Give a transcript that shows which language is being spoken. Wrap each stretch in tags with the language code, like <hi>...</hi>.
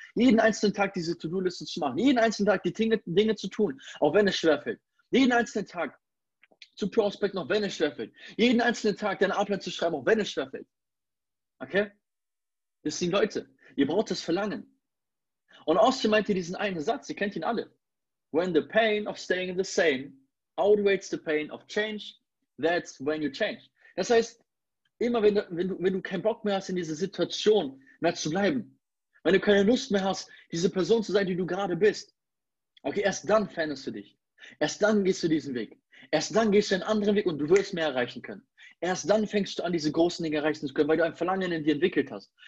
<de>Jeden einzelnen Tag diese To-Do-Liste zu machen? Jeden einzelnen Tag die Dinge zu tun, auch wenn es schwerfällt? Jeden einzelnen Tag zu prospecten, auch wenn es schwerfällt? Jeden einzelnen Tag deinen Ablauf zu schreiben, auch wenn es schwerfällt? Okay? Das sind Leute. Ihr braucht das Verlangen. Und Austin meinte diesen einen Satz, ihr kennt ihn alle.</de> <en>When the pain of staying the same outweighs the pain of change, that's when you change.</en> <de>Das heißt, immer wenn du keinen Bock mehr hast, in dieser Situation mehr zu bleiben, wenn du keine Lust mehr hast, diese Person zu sein, die du gerade bist, okay, erst dann veränderst du dich. Erst dann gehst du diesen Weg. Erst dann gehst du einen anderen Weg und du wirst mehr erreichen können. Erst dann fängst du an, diese großen Dinge erreichen zu können, weil du ein Verlangen in dir entwickelt hast.</de>